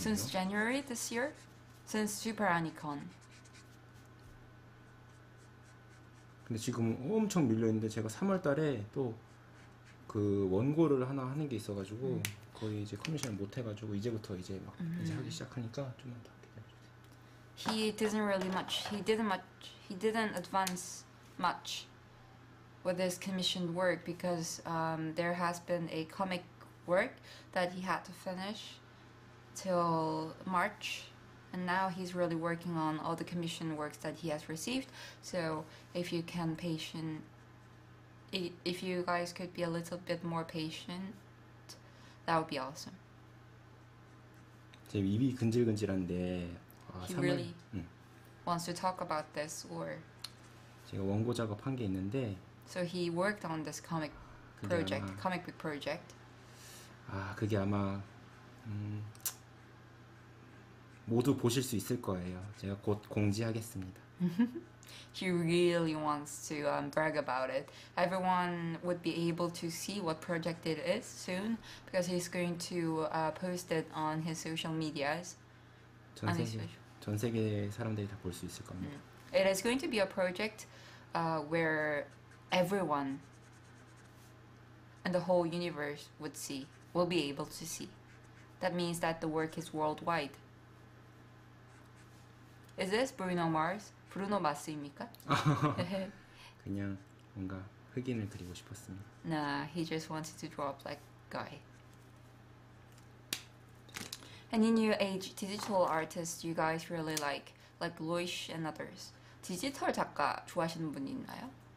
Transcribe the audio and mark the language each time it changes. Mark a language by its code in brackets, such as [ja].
[en] Since January this year? Since SuperAnicon. [ko] 근데 지금 엄청 밀려있는데 제가 3월 달에 또 그 원고를 하나 하는 게 있어가지고 거의 이제 커미션을 못 해가지고 이제부터 이제 막 이제 하기 시작하니까 좀만 더 [en] He doesn't really much. He didn't advance much with his commissioned work because there has been a comic work that he had to finish till March, and now he's really working on all the commissioned works that he has received. So if you can patient, if you guys could be a little bit more patient, that would be awesome. [ko] 제 입이 근질근질한데. [en] He really wants to talk about this or [ko] 제가 원고 작업한 게 있는데 [en] So he worked on this comic project, comic book project. [ko] 아, 그게 아마 모두 보실 수 있을 거예요. 제가 곧 공지하겠습니다. [en] He really wants to brag about it. Everyone would be able to see what project it is soon because he's going to post it on his social medias. [ko] 전 세계 사람들이 다 볼 수 있을 겁니다. [en] It is going to be a project where everyone and the whole universe would see, will be able to see. That means that the work is worldwide. Is this Bruno Mars? [ko] 브루노 마스입니까? 그냥 뭔가 흑인을 그리고 싶었습니다. [en] Nah, he just wanted to draw a black guy. Any new age digital artists you guys really like Loish and others? [ko] 디지털 작가 좋아하시는 분 있나요?